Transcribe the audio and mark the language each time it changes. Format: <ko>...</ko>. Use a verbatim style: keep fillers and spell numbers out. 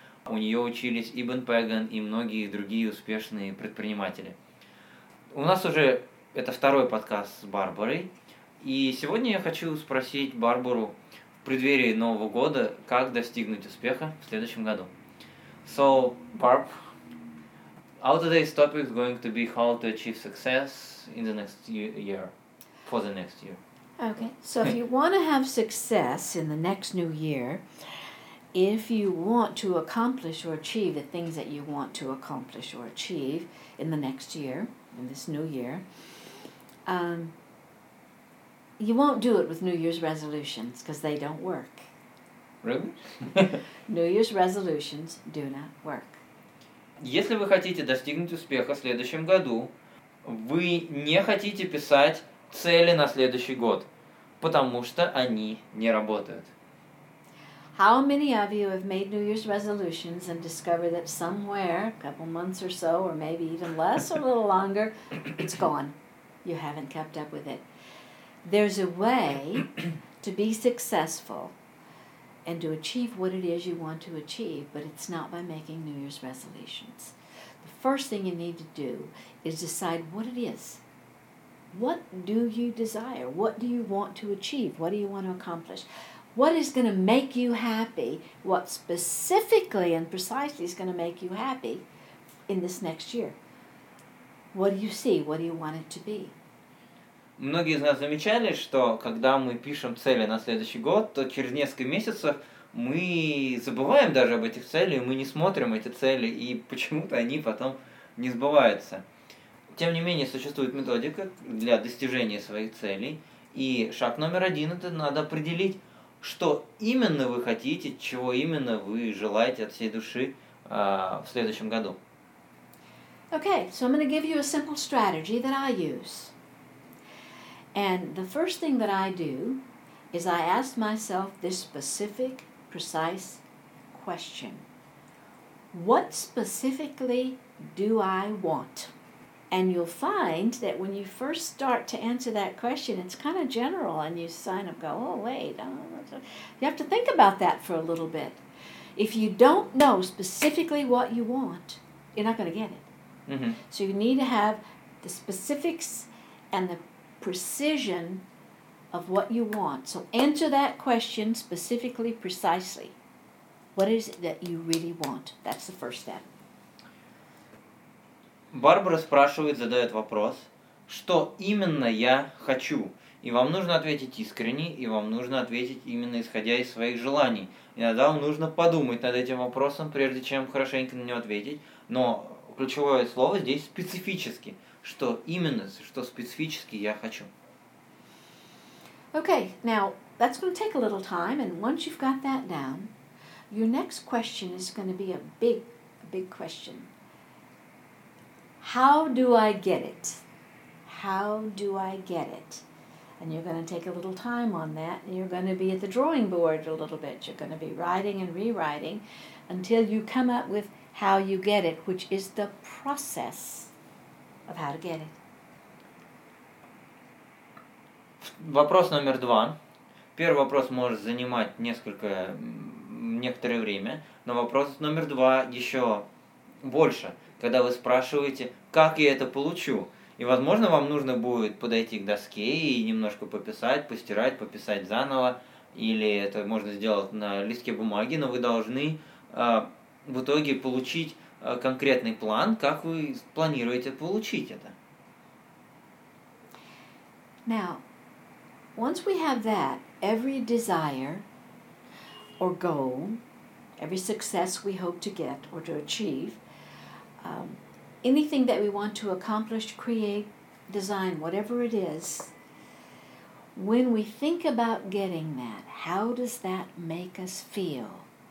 <ru>У нее учились и Бен Пэган, и многие другие успешные предприниматели. У нас уже это второй подкаст с Барбарой, и сегодня я хочу спросить Барбару в преддверии Нового года, как достигнуть успеха в следующем году.</ru> <en>So, Barb, our today's topic is going to be how to achieve success in the next year, for the next year. Okay, so if you want to have success in the next new year, if you want to accomplish or achieve the things that you want to accomplish or achieve in the next year, in this new year, um, you won't do it with New Year's resolutions because they don't work. Really? New Year's resolutions do not work.</en> <ru>Если вы хотите достигнуть успеха в следующем году, вы не хотите писать цели на следующий год, потому что они не работают.</ru> <en>How many of you have made New Year's resolutions and discovered that somewhere, a couple months or so, or maybe even less or a little longer, it's gone? You haven't kept up with it. There's a way to be successful and to achieve what it is you want to achieve, but it's not by making New Year's resolutions. The first thing you need to do is decide what it is. What do you desire? What do you want to achieve? What do you want to accomplish? What is going to make you happy? What specifically and precisely is going to make you happy in this next year? What do you see? What do you want it to be?</en> <ru>Многие из нас замечали, что когда мы пишем цели на следующий год, то через несколько месяцев мы забываем даже об этих целях, мы не смотрим эти цели, и почему-то они потом не сбываются. Тем не менее, существует методика для достижения своих целей, и шаг номер один – это надо определить, что именно вы хотите, чего именно вы желаете от всей души uh, в следующем году.</ru> <en>Okay, so I'm going to give you a simple strategy that I use. And the first thing that I do is I ask myself this specific, precise question. What specifically do I want? And you'll find that when you first start to answer that question, it's kind of general, and you sign up, go, oh, wait, I don't know. You have to think about that for a little bit. If you don't know specifically what you want, you're not going to get it. Mm-hmm. So you need to have the specifics and the precision of what you want. So answer that question specifically, precisely. What is it that you really want? That's the first step.</en> <ru>Барбара спрашивает, задает вопрос, что именно я хочу? И вам нужно ответить искренне, и вам нужно ответить именно исходя из своих желаний. Иногда вам нужно подумать над этим вопросом, прежде чем хорошенько на него ответить. Но ключевое слово здесь специфически. Что именно, что специфически я хочу.</ru> <en>Okay, now that's going to take a little time, and once you've got that down, your next question is going to be a big, a big question. How do I get it? How do I get it? And you're going to take a little time on that, and you're going to be at the drawing board a little bit. You're going to be writing and rewriting until you come up with how you get it, which is the process of how to get it.</en> <ru>Вопрос номер два. Первый вопрос может занимать несколько, некоторое время, но вопрос номер два еще больше, когда вы спрашиваете, как я это получу. И, возможно, вам нужно будет подойти к доске и немножко пописать, постирать, пописать заново, или это можно сделать на листке бумаги, но вы должны э, в итоге получить конкретный план, как вы планируете получить это.</ru> <en>Now, once we have that, every desire or goal, every success we hope to get or to achieve, um, anything that we want to accomplish, create, design, whatever it is, when we think about getting that, how does that make us feel?</en>